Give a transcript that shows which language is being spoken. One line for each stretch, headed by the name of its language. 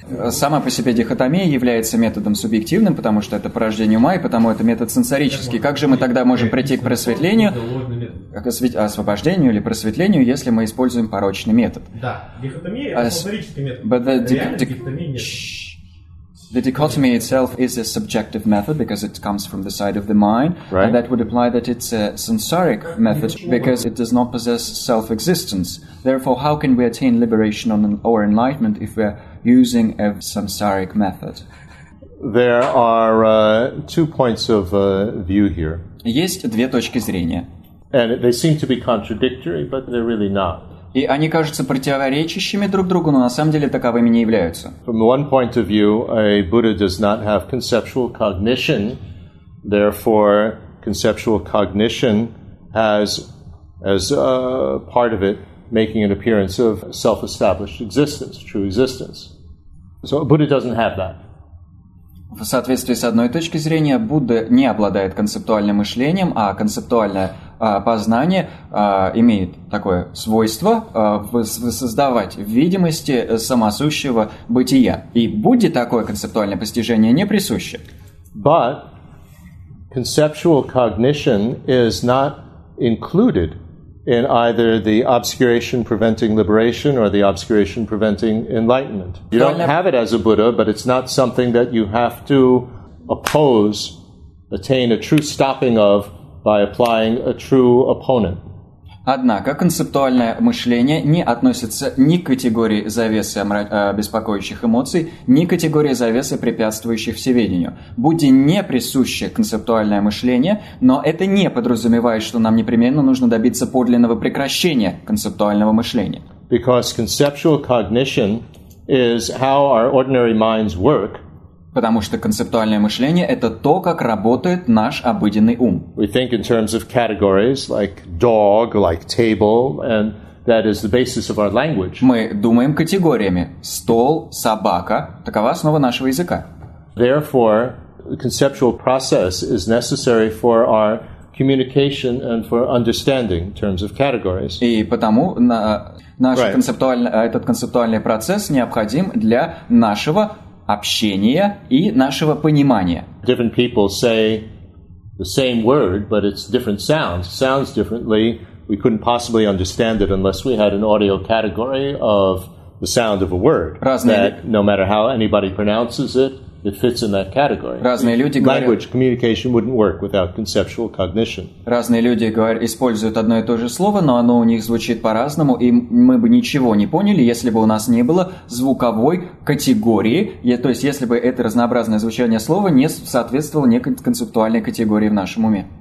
Russian: Сама по себе дихотомия является методом субъективным, потому что это порождение ума, и потому это метод сенсорический. Как же мы тогда можем прийти к просветлению, к освобождению или просветлению, если мы используем порочный метод? Да, дихотомия — это сенсорический метод. Реально дихотомии нет.
English: The dichotomy itself is a subjective method because it comes from the side of the mind, right. And that would imply that it's a sensoric method because it does not possess self-existence. Therefore, how can we attain liberation or enlightenment if we're using a samsaric method? There are two points of view here.
Russian: Есть две точки зрения.
English: And they seem to be contradictory, but they're really not.
Russian: И они кажутся противоречащими друг другу, но на самом деле таковыми не являются.
English: From one point of view, a Buddha does not have conceptual cognition. Therefore, conceptual cognition has as a part of it making an appearance of self-established existence, true existence. So Buddha doesn't have that.
Russian: В соответствии с одной точки зрения, Будда не обладает концептуальным мышлением, а концептуальное познание имеет такое свойство создавать в видимости самосущего бытия. И Будде такое концептуальное постижение не присуще.
English: But conceptual cognition is not included in either the obscuration preventing liberation or the obscuration preventing enlightenment. You don't have it as a Buddha, but it's not something that you have to oppose, attain a true stopping of by applying a true opponent.
Russian: Однако концептуальное мышление не относится ни к категории завесы беспокоящих эмоций, ни к категории завесы препятствующих всеведению. Будде не присуще концептуальное мышление, но это не подразумевает, что нам непременно нужно добиться подлинного прекращения концептуального мышления.
English: Because conceptual cognition is how our ordinary minds work.
Russian: Потому что концептуальное мышление – это то, как работает наш обыденный ум.
English: We think in terms of categories, like dog, like table, and that is the basis of our language.
Russian: Мы думаем категориями. Стол, собака – такова основа нашего языка.
English: Therefore, the conceptual process is necessary for our communication and for understanding in terms of categories.
Russian: И потому наш
English: right.
Russian: Этот концептуальный процесс необходим для нашего общения и нашего понимания.
English: Different people say the same word, but it's different sounds. Sounds differently. We couldn't possibly understand it unless we had an audio category of the sound of a word. That no matter how anybody pronounces it, it fits in that category.
Russian: Разные люди говорят,
English: language communication wouldn't work without conceptual cognition.
Russian: Разные люди говорят, используют одно и то же слово, но оно у них звучит по-разному, и мы бы ничего не поняли, если бы у нас не было звуковой категории, то есть если бы это разнообразное звучание слова не соответствовало некой концептуальной категории в нашем уме.